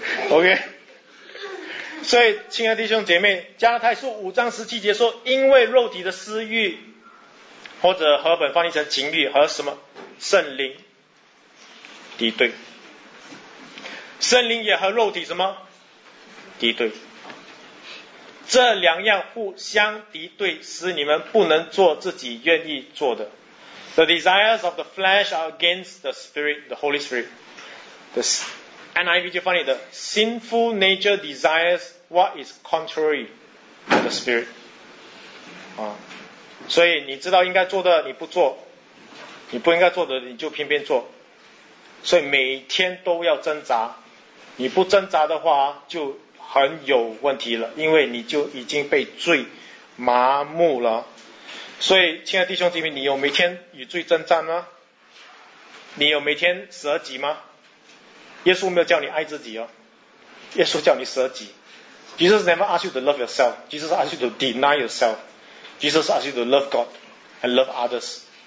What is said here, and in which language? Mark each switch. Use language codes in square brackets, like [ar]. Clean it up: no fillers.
[zh] OK， 所以亲爱的弟兄姐妹，加拉太书五章十七节说，因为肉体的私欲，或者和本翻译成情欲和什么圣灵敌对，圣灵也和肉体什么敌对。这两样互相敌对，使你们不能做自己愿意做的。 [en] The desires of the flesh are against the spirit, the Holy Spirit. The NIV [zh] 就翻译的 [en] sinful nature desires what is contrary to the spirit. [zh] 啊，所以你知道应该做的你不做，你不应该做的你就偏偏做，所以每天都要挣扎。你不挣扎的话就。很有问题了，因为你就已经被罪麻木了。所以亲爱的弟兄姐妹，你有每天与罪征战吗？你有每天舍己吗？耶稣没有叫你爱自己哦，耶稣叫你舍己。 [en] Jesus never ask you to love yourself. Jesus ask you to deny yourself. Jesus ask you to love God and love others.